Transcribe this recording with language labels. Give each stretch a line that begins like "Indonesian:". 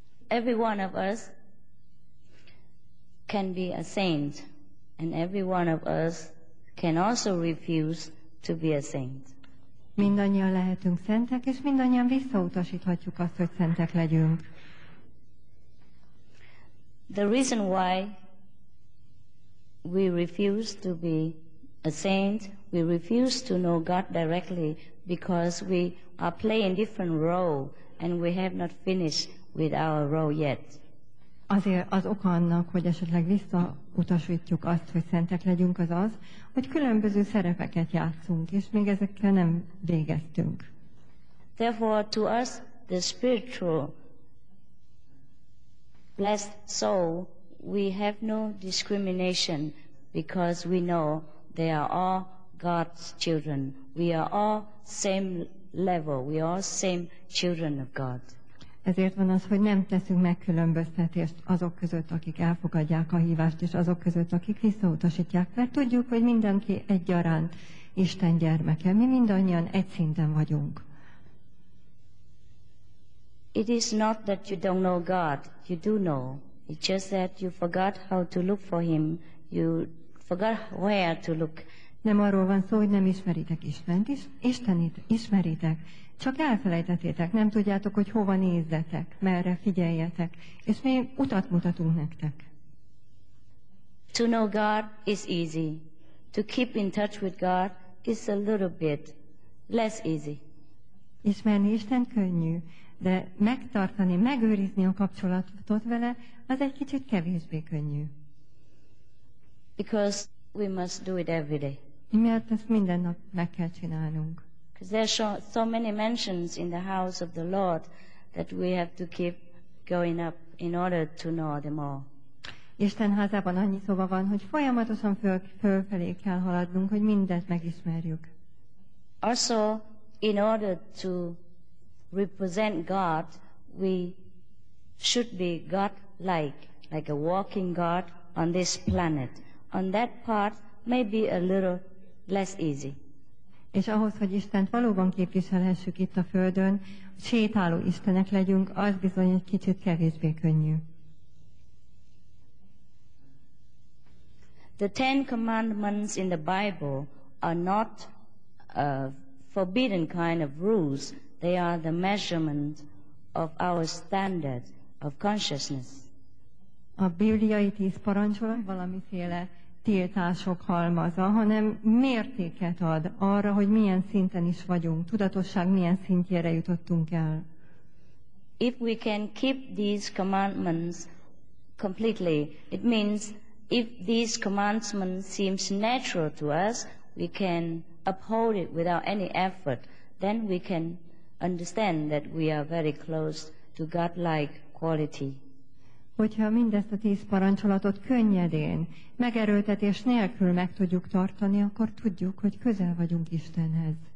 English: Every one of us can be a saint, and every one of us can also refuse to be a saint.
Hungarian: Mindannyian lehetünk szentek, és mindannyian visszautasíthatjuk azt, hogy szentek legyünk.
English: The reason why we refuse to be a saint, we refuse to know God directly, because we are playing different role, and we have not finished with our role yet.
Hungarian: Azért az oka annak, hogy esetleg visszautasítjuk azt, hogy szentek legyünk, az az, hogy különböző szerepeket játszunk, és még ezekkel nem végeztünk.
English: Therefore, to us, the spiritual blessed soul, we have no discrimination, because we know they are all God's children. We are all same level. We are all same children of God.
Hungarian: Ezért van az, hogy nem teszünk megkülönböztetést azok között, akik elfogadják a hívást, és azok között, akik visszautasítják, mert tudjuk, hogy mindenki egyaránt Isten gyermeke. Mi mindannyian egy szinten vagyunk.
English: It is not that you don't know God. You do know. It's just that you forgot how to look for Him. You forgot where to look.
Hungarian: Nem arról van szó, hogy nem ismeritek Istent. Istenit ismeritek. Csak elfelejtetétek. Nem tudjátok, hogy hova nézzetek, merre figyeljetek. És mi utat mutatunk nektek.
English: To know God is easy. To keep in touch with God is a little bit less easy.
Hungarian: Ismerni Isten könnyű, de megtartani, megőrizni a kapcsolatot vele, az egy kicsit kevésbé könnyű.
English: Because we must do it every day.
Hungarian: Mert ezt minden nap meg kell csinálnunk.
English: Because there are so many mansions in the house of the Lord that we have to keep going up in order to know them all.
Hungarian: Isten házában annyi szoba van, hogy folyamatosan fölfelé kell haladnunk, hogy mindet megismerjük.
English: Also, in order to represent God, we should be God-like, like a walking God on this planet. On that part, maybe a little less easy.
Hungarian: És ahhoz, hogy Istent valóban képviselhessük itt a Földön, sétáló Istenek legyünk, az bizony egy kicsit kevésbé könnyű.
English: The Ten Commandments in the Bible are not a forbidden kind of rules. They are the measurement of our standard of consciousness.
Hungarian: A bibliai tíz parancsolat valamiféle tiltások halmaza, hanem mértéket ad arra, hogy milyen szinten is vagyunk, tudatosság milyen szintjére jutottunk el.
English: If we can keep these commandments completely, it means if these commandments seem natural to us, we can uphold it without any effort, then we can understand that we are very close to God-like quality.
Hungarian: Hogyha mindezt a tíz parancsolatot könnyedén, megerőltetés nélkül meg tudjuk tartani, akkor tudjuk, hogy közel vagyunk Istenhez.